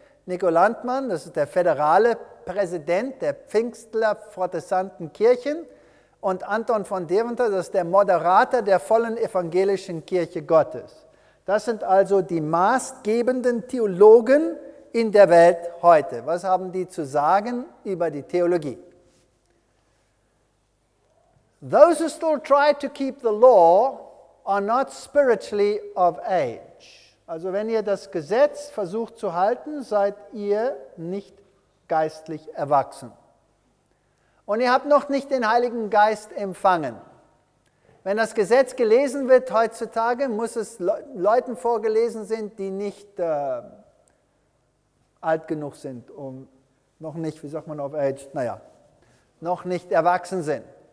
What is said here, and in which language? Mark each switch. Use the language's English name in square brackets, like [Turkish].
[German] Nico Landmann, das ist der föderale Präsident der Pfingstler Protestanten Kirchen. Und Anton von Deventer, das ist der Moderator der vollen evangelischen Kirche Gottes. Das sind also die maßgebenden Theologen in der Welt heute. Was haben die zu sagen über die Theologie? [English] Those who still try to keep the law are not spiritually of age. [German] Also wenn ihr das Gesetz versucht zu halten, seid ihr nicht geistlich erwachsen. Und ihr habt noch nicht den Heiligen Geist empfangen. Wenn das Gesetz gelesen wird heutzutage, muss es Leuten vorgelesen sein, die nicht alt genug sind, um noch nicht, wie sagt man auf Age, naja, noch nicht erwachsen sind.